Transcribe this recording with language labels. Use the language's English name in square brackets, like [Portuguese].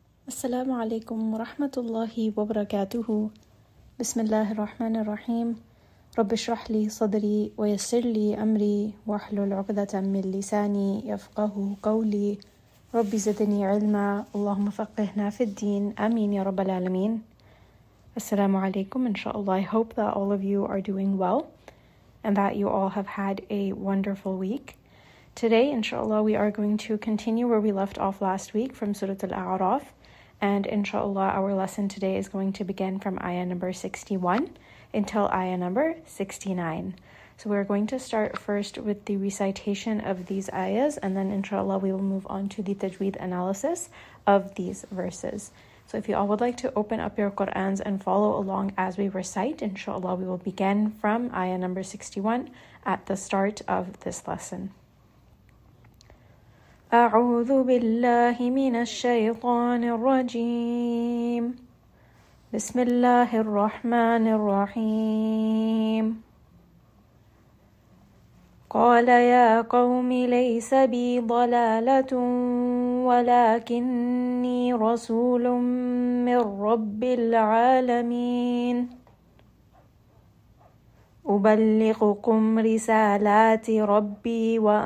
[Arabic] السلام عليكم ورحمة الله وبركاته. بسم الله الرحمن الرحيم. رب اشرح لي صدري ويسر لي أمري واحلل عقدة من لساني يفقه قولي. رب زدني علما، اللهم فقهنا في الدين، آمين يا رب العالمين. السلام عليكم. إن شاء الله. [English] I hope that all of you are doing well and that you all have had a wonderful week. Today, inshallah, we are going to continue where we left off last week from Surah Al-A'raf. And inshallah, our lesson today is going to begin from ayah number 61 until ayah number 69. So we're going to start first with the recitation of these ayahs, and then inshallah, we will move on to the tajweed analysis of these verses. So if you all would like to open up your Qur'ans and follow along as we recite, inshallah, we will begin from ayah number 61 at the start of this lesson. [Arabic] أعوذ بالله من الشيطان الرجيم بسم الله الرحمن الرحيم قال يا قوم ليس بي ضلالة ولكني رسول من رب العالمين أبلغكم رسالات ربي